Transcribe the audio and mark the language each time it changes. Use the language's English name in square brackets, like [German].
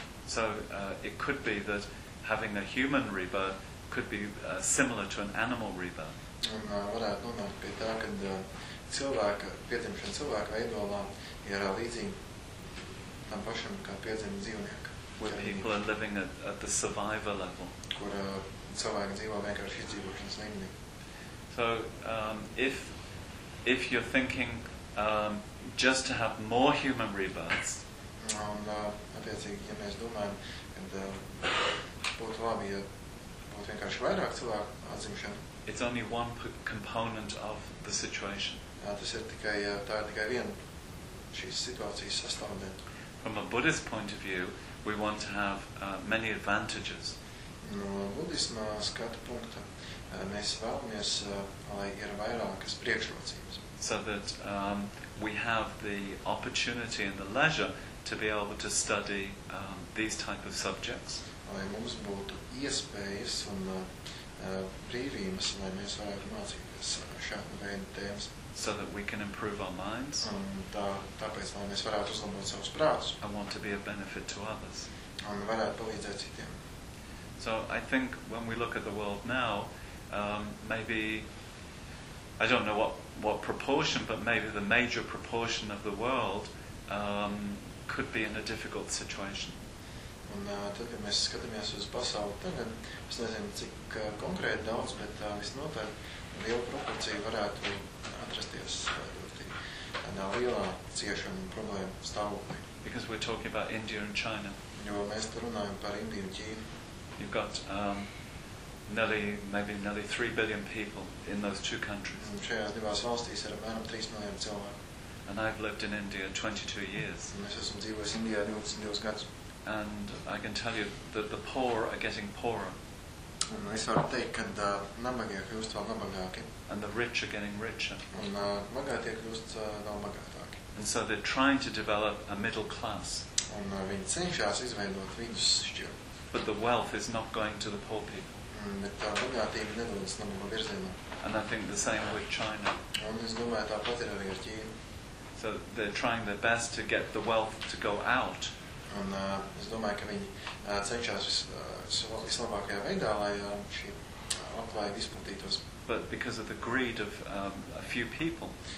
[English] So it could be that having a human rebirth could be similar to an animal rebirth. [Latvian] Un varētu nonākt pie tā, ka cilvēka, piedzimšana cilvēka veidolā ir līdzīga tam pašam, kā piedzima dzīvnieka. [English] Where people are living at the survival level. [Latvian] Kur cilvēki dzīvo vienkārši izdzīvošanas līmenī. [English] So, if you're thinking just to have more human rebirths, [Latvian] un attiecīgi, ja mēs domājam, ka būtu labi, ja būtu vienkārši vairāk cilvēku atzimšana, [English] it's only one component of the situation. [Latvian] Tas ir tikai, tā ir tikai viena šīs situācijas sastāvdien. [English] From a Buddhist point of view, we want to have many advantages. [Latvian] No buddhisma skatu punkta, mēs vēlamies, lai ir vairākas priekšrocības. [English] So that we have the opportunity and the leisure to be able to study these type of subjects. [Latvian] Lai mums būtu iespējas un brīvības, lai mēs varētu mācīties šādu veidu tēmas. [English] So that we can improve our minds. [Latvian] Un tāpēc, lai mēs varētu uzlabot savus prātus. [English] And want to be a benefit to others. [Latvian] Un varētu palīdzēt citiem. [English] So I think when we look at the world now, maybe I don't know what proportion, but maybe the major proportion of the world could be in a difficult situation. [Latvian] Un tad, ja mēs skatāmies uz pasauli tagad, es nezinu, cik konkrēti daudz, bet visnotaļ liela proporcija varētu atrasties ļoti lielā ciešana un problēma stāvoklī. [English] Because we're talking about India and China. [Latvian] Jo mēs te runājam par Indiju un Ķīnu. [English] You've got nearly 3 billion people in those two countries. [Latvian] Un šajās divās valstīs ir apmēram 3 miljoni cilvēku. [English] And I've lived in India 22 years. [Latvian] Un es esmu dzīvojis Indijā 22 gadus. [English] And I can tell you that the poor are getting poorer. [Latvian] Un es varu teikt, kad nabagie kļūst vēl nabagāki. [English] And the rich are getting richer. [Latvian] Un bagātie kļūst vēl bagātāki. [English] And so they're trying to develop a middle class. [Latvian] Un viņi cenšas izveidot vidusšķiru. [English] But the wealth is not going to the poor people. [Latvian] Bet tā bagātība nedodas nabaga virzienā. [English] And I think the same with China. [Latvian] Un es domāju, tāpat ir arī ar Ķīnu. [English] So they're trying their best to get the wealth to go out. [Latvian] Un es domāju, ka viņi cenšas vislabākajā veidā, lai šī atklāja izplatītos. [English] But because of the greed of a few people.